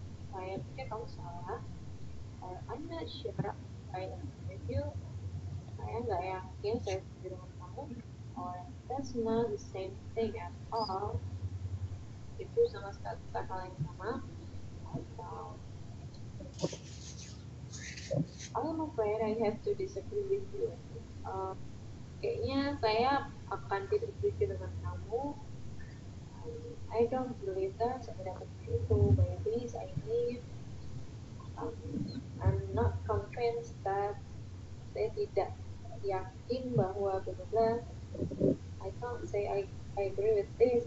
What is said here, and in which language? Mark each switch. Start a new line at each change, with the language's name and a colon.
Indonesian: Saya pikir kamu salah.
English: I'm not sure I agree with you.
Indonesian: Saya nggak yakin saya setuju dengan kamu.
English: That's not the same thing at all.
Indonesian: Itu sama sekali hal yang sama.
English: I'm afraid I have to disagree with you.
Indonesian: Kayaknya saya akan tidak setuju dengan kamu.
English: I don't believe that.
Indonesian: Saya tidak percaya itu.
English: Maybe I need. I'm not convinced that.
Indonesian: Saya tidak yakin bahwa benar-benar.
English: I can't say I agree with this.